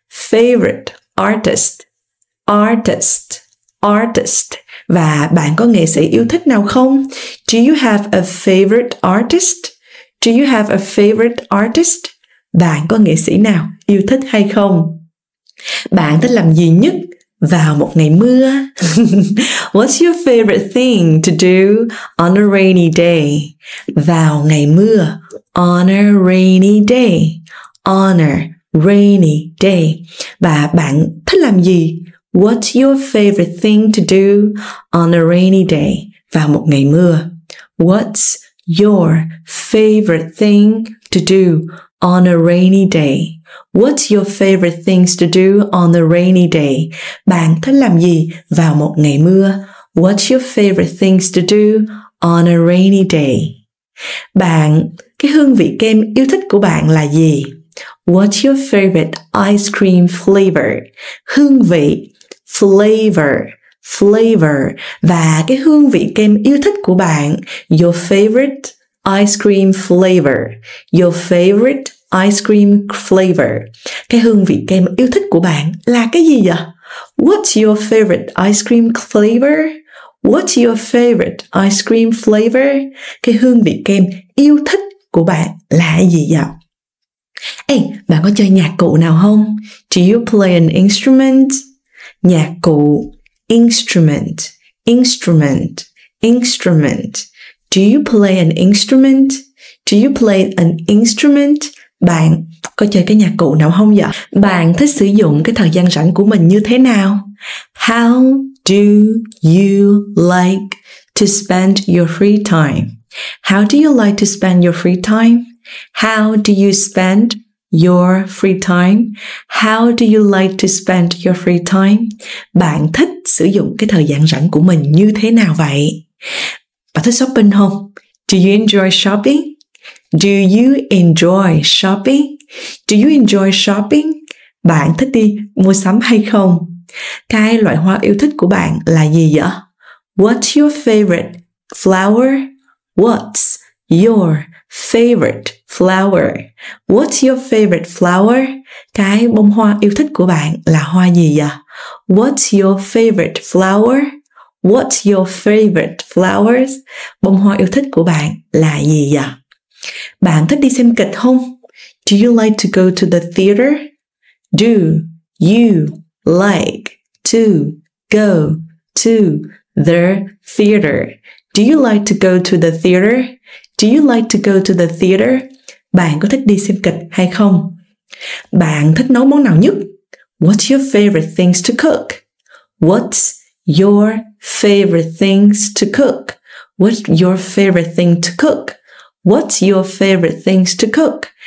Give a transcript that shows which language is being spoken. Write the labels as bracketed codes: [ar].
[en] Favorite artist. Artist. Artist. [vi] Và bạn có nghệ sĩ yêu thích nào không? [en] Do you have a favorite artist? Do you have a favorite artist? [vi] Bạn có nghệ sĩ nào yêu thích hay không? Bạn thích làm gì nhất vào một ngày mưa? [en] What's your favorite thing to do on a rainy day? [vi] Vào ngày mưa. [en] On a rainy day. On a rainy day. [vi] Và bạn thích làm gì? [en] What's your favorite thing to do on a rainy day? [vi] Vào một ngày mưa. [en] What's your favorite thing to do on a rainy day? What's your favorite things to do on a rainy day? [vi] Bạn thích làm gì vào một ngày mưa? [en] What's your favorite things to do on a rainy day? [vi] Bạn, cái hương vị kem yêu thích của bạn là gì? [en] What's your favorite ice cream flavor? [vi] Hương vị, [en] flavor, flavor. [vi] Và cái hương vị kem yêu thích của bạn, [en] your favorite ice cream flavor. Your favorite ice cream flavor. [vi] Cái hương vị kem yêu thích của bạn là cái gì vậy? [en] What's your favorite ice cream flavor? What's your favorite ice cream flavor? [vi] Cái hương vị kem yêu thích của bạn là gì vậy? Ê, bạn có chơi nhạc cụ nào không? [en] Do you play an instrument? [vi] Nhạc cụ. [en] Instrument. Instrument. Instrument. Do you play an instrument? Do you play an instrument? [vi] Bạn có chơi cái nhạc cụ nào không vậy? Bạn thích sử dụng cái thời gian rảnh của mình như thế nào? [en] How do you like to spend your free time? How do you like to spend your free time? How do you spend your free time? How do you like to spend your free time? [vi] Bạn thích sử dụng cái thời gian rảnh của mình như thế nào vậy? Bạn thích shopping không? [en] Do you enjoy shopping? Do you enjoy shopping? Do you enjoy shopping? [vi] Bạn thích đi mua sắm hay không? Cái loại hoa yêu thích của bạn là gì vậy? [en] What's your favorite flower? What's your favorite flower? What's your favorite flower? [vi] Cái bông hoa yêu thích của bạn là hoa gì vậy? [en] What's your favorite flower? What's your favorite flowers? [vi] Bông hoa yêu thích của bạn là gì vậy? Bạn thích đi xem kịch không? [en] Do you like to go to the theater? Do you like to go to the theater? Do you like to go to the theater? Do you like to go to the theater? [vi] Bạn có thích đi xem kịch hay không? Bạn thích nấu món nào nhất? [en] What's your favorite things to cook? What's your favorite things to cook? What's your favorite thing to cook? What's your favorite things to cook?